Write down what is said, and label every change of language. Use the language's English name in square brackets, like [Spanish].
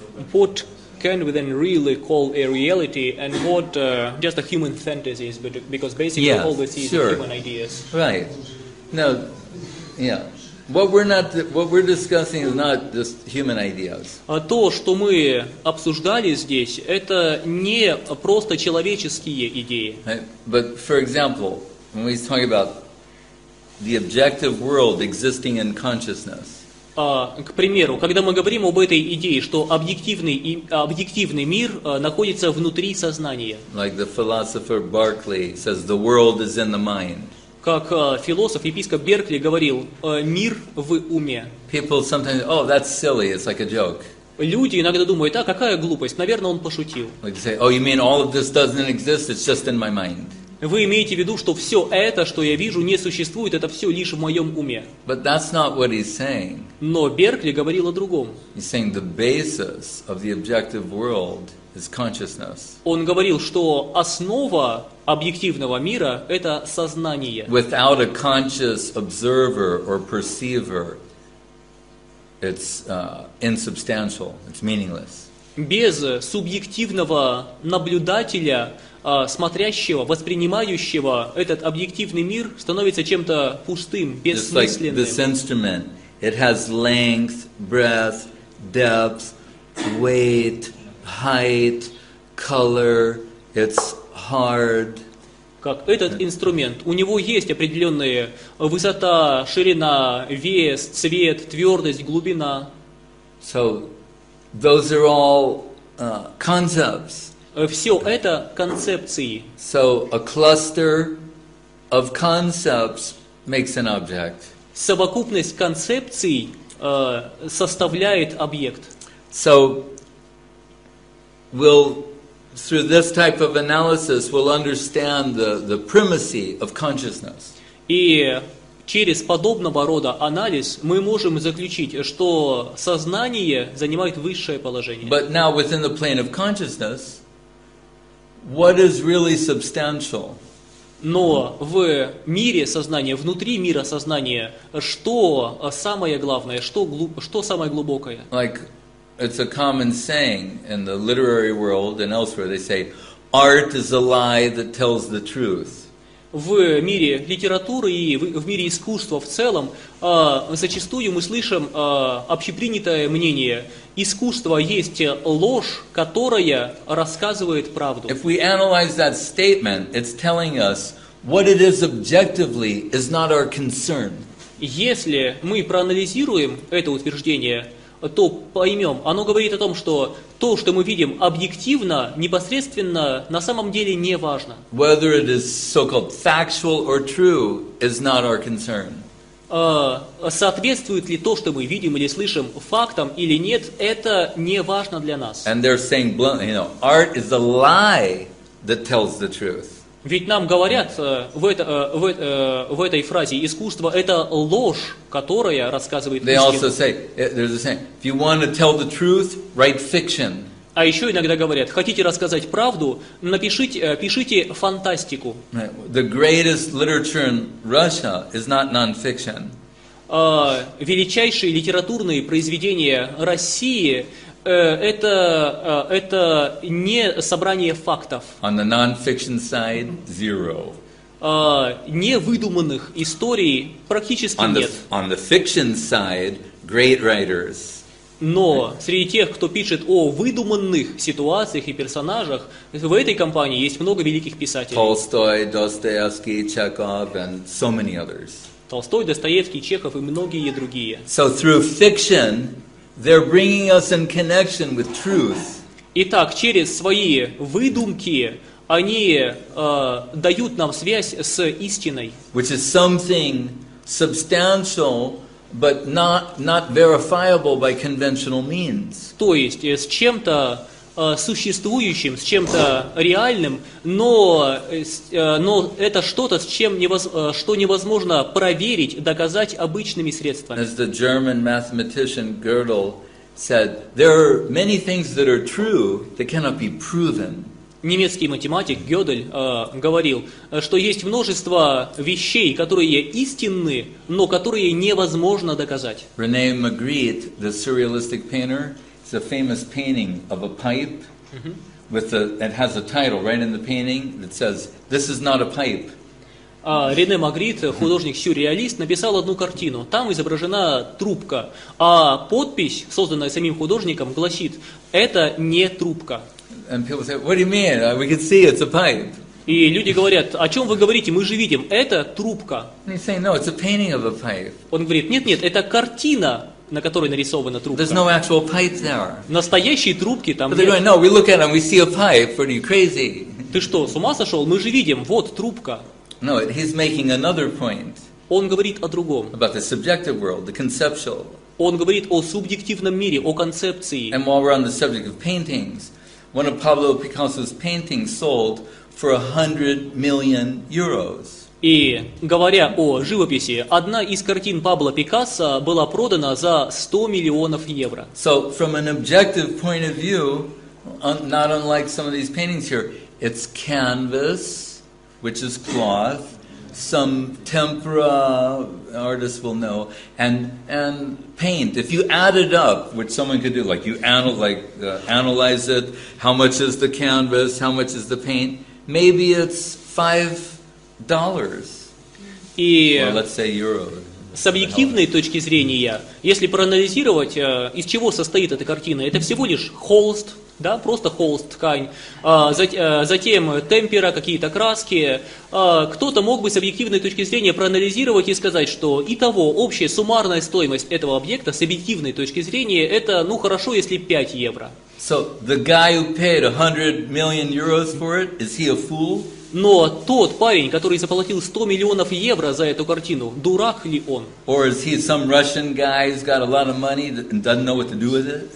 [English] What can we then really call a reality, and what just a human fantasy is, because basically yes, all we see sure. is human ideas. Right. No. Yeah. What we're discussing is not just human ideas. [Russian] То, что мы обсуждали здесь, это не просто человеческие идеи. [English] But for example, when we talk about the objective world existing in consciousness. [Russian] К примеру, когда мы говорим об этой идее, что объективный мир находится внутри сознания. [English] Like the philosopher Berkeley says, the world is in the mind. [Russian] Как философ, епископ Беркли говорил, мир в уме. [English] People sometimes, oh, that's silly, it's like a joke. [Russian] Люди иногда думают, а какая глупость, наверное, он пошутил. [English] Like they say, oh, you mean all of this doesn't exist, it's just in my mind. [Russian] Вы имеете в виду, что все это, что я вижу, не существует, это все лишь в моем уме. [English] But that's not what he's saying. [Russian] Но Беркли говорил о другом. [English] He's saying the basis of the objective world is consciousness. [Russian] Он говорил, что основа объективного мира – это сознание. [English] Without a conscious observer or perceiver, it's insubstantial, it's meaningless. [Russian] Без субъективного наблюдателя, смотрящего, воспринимающего, этот объективный мир становится чем-то пустым, бессмысленным. [English] Just like this instrument, it has length, breadth, depth, weight, height, color, it's hard. [Russian] Как этот инструмент, у него есть определенные высота, ширина, вес, цвет, твердость, глубина. [English] So, those are all concepts. [Russian] Все это концепции. [English] So, a cluster of concepts makes an object. [Russian] Совокупность концепций составляет объект. [English] So, we'll, through this type of analysis, we'll understand the primacy of consciousness. [Russian] И через подобного рода анализ мы можем заключить, что сознание занимает высшее положение. [English] But now, within the plane of consciousness, what is really substantial? [Russian] Но в мире сознания, внутри мира сознания, что самое главное, что самое глубокое? [English] Like, it's a common saying in the literary world and elsewhere, they say, art is a lie that tells the truth. [Russian] В мире литературы и в мире искусства в целом зачастую мы слышим общепринятое мнение: искусство есть ложь, которая рассказывает правду. [English] If we analyze that statement, it's telling us what it is objectively is not our concern. [Russian] Если мы проанализируем это утверждение, то поймем, оно говорит о том, что то, что мы видим объективно, непосредственно, на самом деле не важно. [English] Whether it is so-called factual or true is not our concern. [Russian] Соответствует ли то, что мы видим или слышим, фактам или нет, это не важно для нас. [English] And they're saying, you know, art is a lie that tells the truth. [Russian] Ведь нам говорят в этой фразе, искусство – это ложь, которая рассказывает истину. [English] They also say, there's a saying, if you want to tell the truth, write fiction. [Russian] А еще иногда говорят, хотите рассказать правду, пишите фантастику. [English] The greatest literature in Russia is not non-fiction. [Russian] Величайшие литературные произведения России – это не собрание фактов. [English] On the non-fiction side, zero. [Russian] Невыдуманных историй практически [English] on [Russian] нет. [English] On the fiction side, great writers. [Russian] Но среди тех, кто пишет о выдуманных ситуациях и персонажах, в этой компании есть много великих писателей. [English] Толстой, Достоевский, Чехов and so many others. [Russian] Толстой, Достоевский, Чехов и многие другие. [English] So through fiction, they're bringing us in connection with truth. [Russian] Итак, через свои выдумки они дают нам связь с истиной. [English] Which is something substantial, but not verifiable by conventional means. [Russian] То есть с чем-то существующим, с чем-то реальным, но это что-то, с чем что невозможно проверить, доказать обычными средствами. [English] As the German mathematician Gödel said, there are many things that are true that cannot be proven. [Russian] Немецкий математик Гёдель говорил, что есть множество вещей, которые истинны, но которые невозможно доказать. [English] Рене Магрит, the surrealistic painter, is a famous painting of a pipe with it has a title right in the painting that says, "This is not a pipe." [Russian] Рене Магрит, художник-сюрреалист, написал одну картину. Там изображена трубка, а подпись, созданная самим художником, гласит: "Это не трубка." [English] And people say, "What do you mean? We can see it's a pipe." [Russian] И люди говорят: "О чем вы говорите? Мы же видим, это трубка." [English] And he's saying, "No, it's a painting of a pipe." [Russian] Он говорит: "Нет, нет, это картина, на которой нарисована трубка." [English] There's no actual pipe there. [Russian] Настоящей трубки там нет. [English] But they're going, "No, we look at it, we see a pipe. Are you crazy?" [Russian] Ты что, с ума сошел? Мы же видим, вот трубка. [English] No, he's making another point. [Russian] Он говорит о другом. [English] About the subjective world, the conceptual. [Russian] Он говорит о субъективном мире, о концепции. [English] And while we're on the subject of paintings. One of Pablo Picasso's paintings sold for 100 million euros. [Russian] И говоря о живописи, одна из картин Пабло Пикассо была продана за 100 миллионов евро. [English] So, from an objective point of view, not unlike some of these paintings here, it's canvas, which is cloth, some tempera, artists will know, and paint. If you add it up, which someone could do, like you analyze it, how much is the canvas, how much is the paint, maybe it's $5, or let's say euros. [Russian] С объективной точки зрения, если проанализировать, из чего состоит эта картина, это всего лишь холст, да, просто холст, ткань, затем темпера, какие-то краски. Кто-то мог бы с объективной точки зрения проанализировать и сказать, что итого, общая суммарная стоимость этого объекта с объективной точки зрения, это, ну, хорошо, если 5 евро. [English] So, the guy who paid 100 million euros for it, is he a fool? [Russian] Но тот парень, который заплатил 100 миллионов евро за эту картину, дурак ли он? [English] Or is he some Russian guy who's got a lot of money and doesn't know what to do with it?